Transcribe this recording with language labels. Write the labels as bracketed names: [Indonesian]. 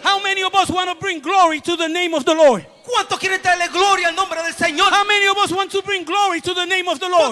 [English] How many of us want to bring glory to the name of the Lord? [Spanish] ¿Cuánto quiere darle gloria al nombre del Señor? [English] How many of us want to bring glory to the name of the Lord?